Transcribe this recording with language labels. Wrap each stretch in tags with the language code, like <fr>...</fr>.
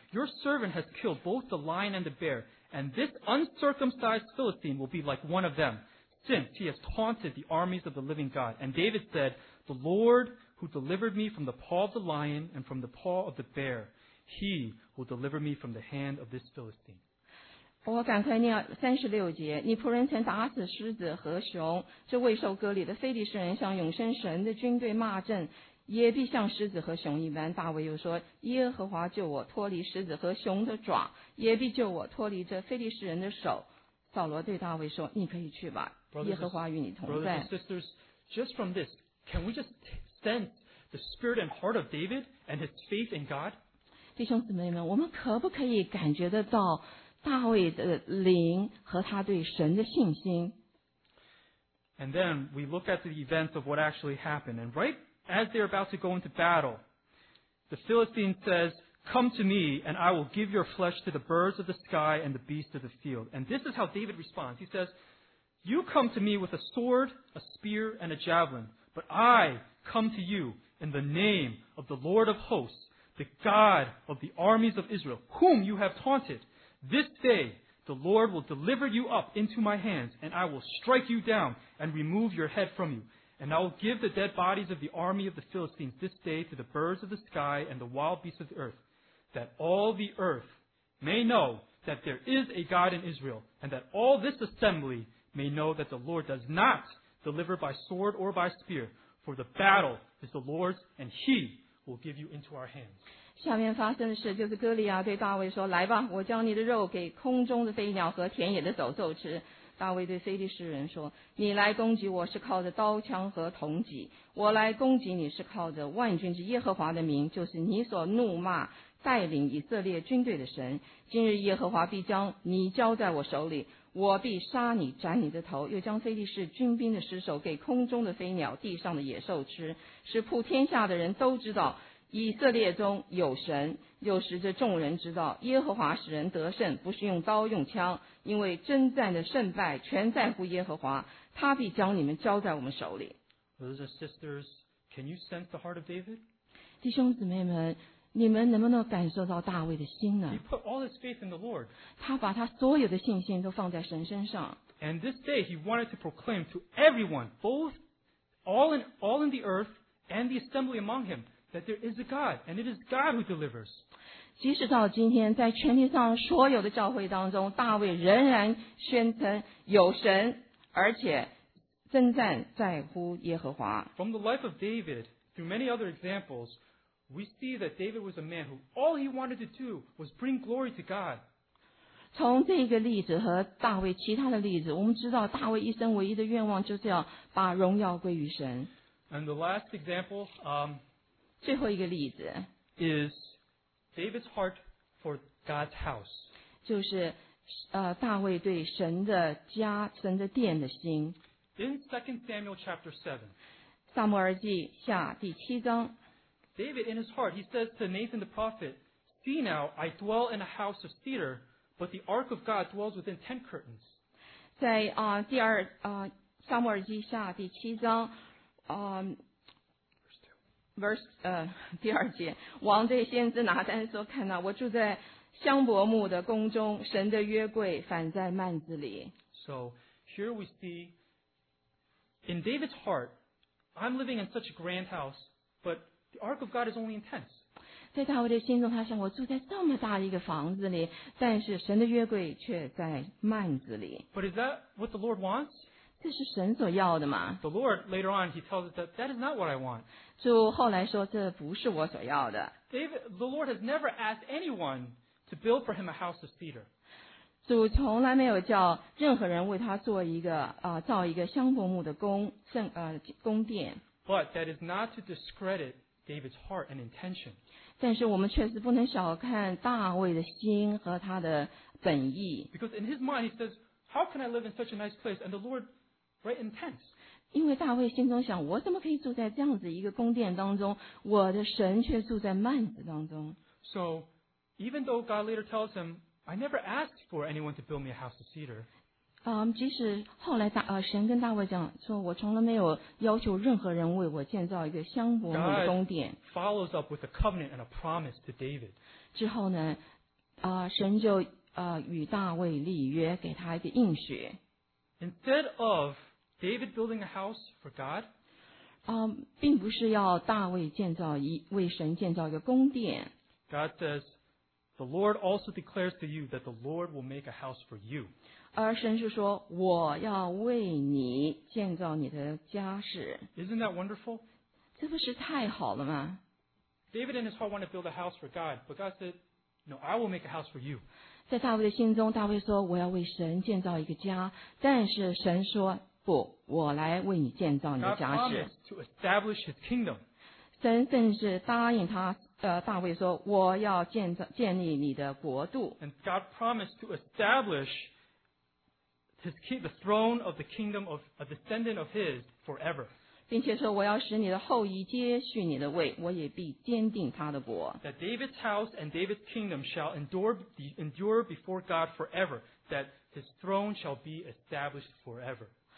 <en>Your servant has killed both the lion and the bear, and this uncircumcised Philistine will be like one of them, since he has taunted the armies of the living God. And David said, the Lord who delivered me from the paw of the lion and from the paw of the bear, he will deliver me from the hand of this Philistine.</en> <zh>我赶快念36节，你仆人曾打死狮子和熊，这未受割礼的非利士人向永生神的军队骂阵，也必像狮子和熊一般。大卫又说，耶和华救我脱离狮子和熊的爪，也必救我脱离这非利士人的手。扫罗对大卫说，你可以去吧，耶和华与你同在。</zh> <en>Brothers and sisters, just from this, can we just sense the spirit and heart of David and his faith in God?</en> <zh>弟兄姊妹们，我们可不可以感觉得到大卫的灵和他对神的信心？</zh> <en>And then we look at the events of what actually happened. And right as they're about to go into battle, the Philistine says, come to me and I will give your flesh to the birds of the sky and the beasts of the field. And this is how David responds. He says, you come to me with a sword, a spear, and a javelin, but I come to you in the name of the Lord of hosts, the God of the armies of Israel, whom you have taunted. This day, the Lord will deliver you up into my hands, and I will strike you down and remove your head from you. And I will give the dead bodies of the army of the Philistines this day to the birds of the sky and the wild beasts of the earth, that all the earth may know that there is a God in Israel, and that all this assembly may know that the Lord does not deliver by sword or by spear, for the battle is the Lord's, and he will give you into our hands.</en> <zh>下面发生的事就是哥利亚对大卫说，来吧，我将你的肉给空中的飞鸟和田野的走兽吃。大卫对非利士人说，你来攻击我是靠着刀枪和铜戟，我来攻击你是靠着万军之耶和华的名，就是你所怒骂带领以色列军队的神。今日耶和华必将你交在我手里，我必杀你，斩你的头，又将非利士军兵的尸首给空中的飞鸟、地上的野兽吃，使普天下的人都知道以色列中有神，又使这众人知道耶和华使人得胜，不是用刀用枪，因为征战的胜败全在乎耶和华，他必将你们交在我们手里。</zh> <en>Brothers and sisters, can you sense the heart of David?</en> <zh>弟兄姊妹们，你们能不能感受到大卫的心呢？</zh> <en>He put all his faith in the Lord.</en> <zh>他把他所有的信心都放在神身上。</zh> <en>And this day he wanted to proclaim to everyone, both all in the earth and the assembly among him,that there is a God, and it is God who delivers.</en> <zh>即使到今天，在全地上所有的教会当中，大卫仍然宣称有神，而且征战在乎耶和华。</zh> <en>From the life of David, through many other examples, we see that David was a man who all he wanted to do was bring glory to God.</en> <zh>从这个例子和大卫其他的例子，我们知道大卫一生唯一的愿望就是要把荣耀归于神。</zh> <en>And the last example,</en> <zh>最后一个例子</zh> <en>is David's heart for God's house.</en> <zh>就是大卫对神的家、神的殿的心。</zh> <en>In 2 Samuel chapter 7,</en> <zh>撒母耳记下第七章，</zh> <en>David in his heart, he says to Nathan the prophet, see now, I dwell in a house of cedar, but the ark of God dwells within tent curtains.</en> <zh>在第二撒母耳记下第七章第二节，王对先知拿单说，看到我住在香柏木的宫中，神的约柜反在幔子里。</zh> <en>So here we see in David's heart, I'm living in such a grand house, but the ark of God is only in tents.</en> <zh>在大卫的心中，他想我住在这么大一个房子里，但是神的约柜却在幔子里。</zh> <en>But is that what the Lord wants?</en> <zh>这是神所要的吗？</zh> <en>The Lord later on he tells us that that is not what I want.</en> <zh>主后来说，这不是我所要的。</zh> <en>David, the Lord has never asked anyone to build for him a house of cedar.</en> <zh>主从来没有叫任何人为他做一个造一个香柏木的宫殿。</zh> <en>But that is not to discredit David's heart and intention.</en> <zh>但是我们确实不能小看大卫的心和他的本意。</zh> <en>Because in his mind he says, how can I live in such a nice place? And the Lord, right, intends.</en> <zh>因为大卫心中想，我怎么可以住在这样子一个宫殿当中，我的神却住在幔子当中。</zh> <en>So even though God later tells him, I never asked for anyone to build me a house of cedar,</en> <zh>即使后来神跟大卫讲说，我从来没有要求任何人为我建造一个香柏木的宫殿。</zh> <en>God follows up with a covenant and a promise to David.</en> <zh>之后呢神就与大卫立约，给他一个应许。</zh> <en>Instead of David building a house for God?</en> <zh>并不是要大卫建造一为神建造一个宫殿。</zh> <en>God says, the Lord also declares to you that the Lord will make a house for you.</en> <zh>而神是说，我要为你建造你的家室。</zh> <en>Isn't that wonderful?</en> <zh>这不是太好了吗？</zh> <en>David and his heart want to build a house for God, but God said, no, I will make a house for you.</en> <zh>在大卫的心中，大卫说，我要为神建造一个家，但是神说，不，我来为你建造你的家室。</zh> <en>God promised to establish his kingdom.</en> <zh>神甚至答应他，大卫说，我要建立你的国度。</zh> <en>And God promised to establish the throne of the kingdom of a descendant of his forever.</en> <zh>并且说，我要使你的后裔接续你的位，我也必坚定他的国。</zh> <en>That David's house and David's kingdom shall endure before God forever, that his throne shall be established forever.</en>